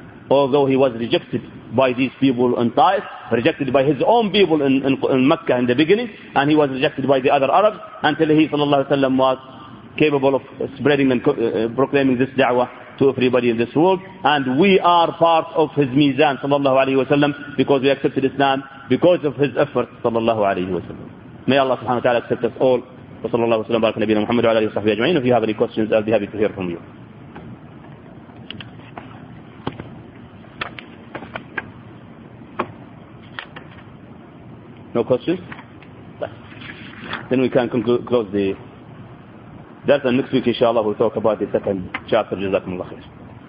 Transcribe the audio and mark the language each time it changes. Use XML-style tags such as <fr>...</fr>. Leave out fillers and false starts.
<en>Although he was rejected by these people in Taif, rejected by his own people in Mecca in the beginning, and he was rejected by the other Arabs, until he, sallallahu alayhi wa sallam, was capable of spreading and proclaiming this da'wah to everybody in this world. And we are part of his mizan, sallallahu alayhi wa sallam, because we accepted Islam, because of his effort, sallallahu alayhi wa sallam. May Allah subhanahu wa ta'ala accept us all.</en> <ar>وصلى الله وسلم بارك نبينا محمد وعلى اله وصحبه اجمعين.</ar> <en>If you have any questions, I'll be happy to hear from you. No questions? Then we can conclude, close the... That's the next week, inshallah, we'll talk about the second chapter. Jazakumullah khair.</en>